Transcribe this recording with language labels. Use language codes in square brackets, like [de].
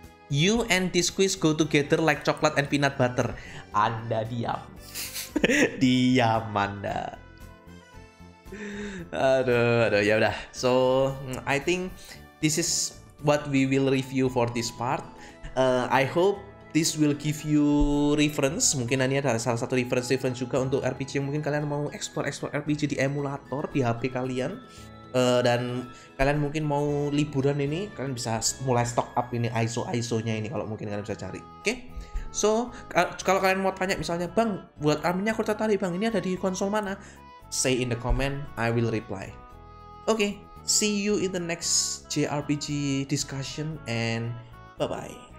[en] You and this quiz go together like chocolate and peanut butter. [id] Anda diam. Diam Anda. Aduh, ya udah. [en] So, I think this is what we will review for this part. I hope this will give you reference. [id] Mungkin ini ada salah satu reference-reference juga untuk RPG yang mungkin kalian mau explore-explore RPG di emulator di HP kalian. Dan kalian mungkin mau liburan ini, kalian bisa mulai stock up ini ISO-ISO-nya ini kalau mungkin kalian bisa cari. Oke? [en] Okay? So, [id] kalau kalian mau tanya misalnya, Bang, buat arm-nya aku tertarik, Bang, ini ada di konsol mana? [en] Say in the comment, I will reply. Oke, okay, see you in the next JRPG discussion and bye-bye.